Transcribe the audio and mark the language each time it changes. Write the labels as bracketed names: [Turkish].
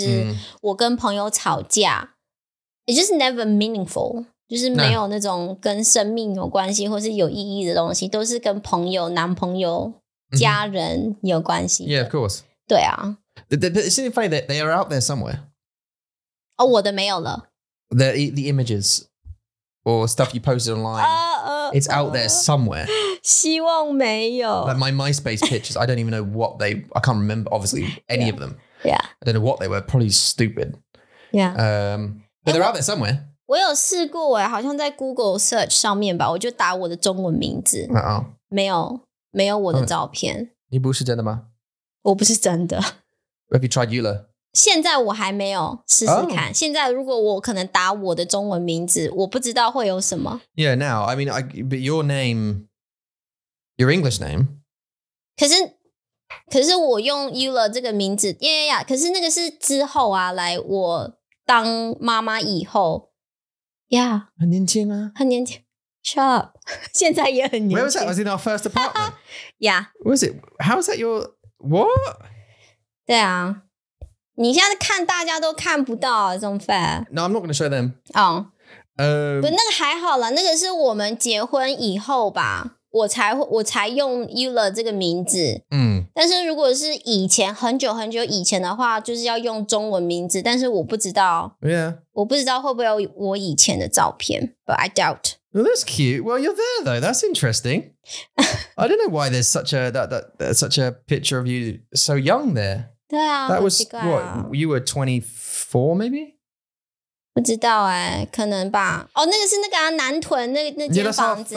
[Chinese] 我觉得以前都是在写一些比如说我跟男朋友怎么样啊，或是我跟朋友吵架。 [English] It's just never meaningful. [Chinese] 就是没有那种跟生命有关系或是有意义的东西，都是跟朋友、男朋友、家人有关系。 [English] Yeah, of course. [Chinese] 对啊。 [English] But isn't it funny that they are out there somewhere? [Chinese] 哦，我的没有了。 [English] The images. Or stuff you posted online. It's out there somewhere. [Chinese] 希望没有. [English] Like my MySpace pictures, I don't even know what they, I can't remember, obviously, any of them. Yeah. I don't know what they were, probably stupid. Yeah. But they're out there somewhere. [Chinese] 我有试过耶,好像在Google search上面吧, 我就打我的中文名字。 [English] Uh-oh. [Chinese] 没有我的照片。你不是真的吗? 我不是真的。 [English] Have you tried Eula? [Chinese] 现在我还没有试试看。Oh. 现在如果我可能打我的中文名字，我不知道会有什么。 [English] Yeah, now, I mean, but your name, your English name. [Chinese] 可是我用 Eula 这个名字 yeah, yeah, yeah, 可是那个是之后啊，来我当妈妈以后 Yeah. 很年轻啊。很年轻。 [English] Shut up. [Chinese] 现在也很年轻。 [English] Where was that? Was in our first apartment? Yeah. Was it? How was that your, what? [Chinese] 对啊。你现在看大家都看不到啊，这么 fair? [English] No, I'm not going to show them. 哦、oh. [Chinese] 不，那个还好啦，那个是我们结婚以后吧，我才用 Eula 这个名字。嗯、mm.。但是如果是以前很久很久以前的话，就是要用中文名字，但是我不知道。 [English] Yeah. [Chinese] 我不知道会不会有我以前的照片 ， [English] but I doubt. Well, that's cute. Well, you're there though. That's interesting. I don't know why there's such a that such a picture of you so young there. [Chinese] 对啊 [English] That was, what, you were 24 maybe? [Chinese] 不知道欸可能吧哦、oh, 那个是那个啊南屯那间房子